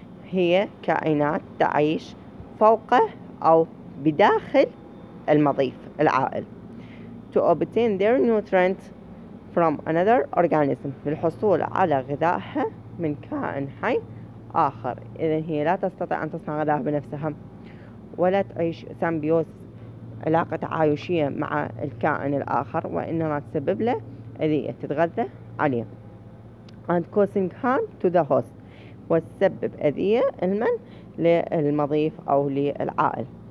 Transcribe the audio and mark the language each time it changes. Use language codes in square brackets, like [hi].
[ar] هي كائنات تعيش فوق أو بداخل المضيف العائل. [en] To obtain their nutrient from another organism. [ar] للحصول على غذائها من كائن حي آخر. إذن هي لا تستطيع أن تصنع غذائها بنفسها ولا تعيش سامبيوز علاقة تعايشية مع الكائن الآخر، وإنما تسبب له أذية تتغذى عليه. [en] And causing harm to the host. [ar] وتسبب أذية لمن؟ للمضيف أو للعائل.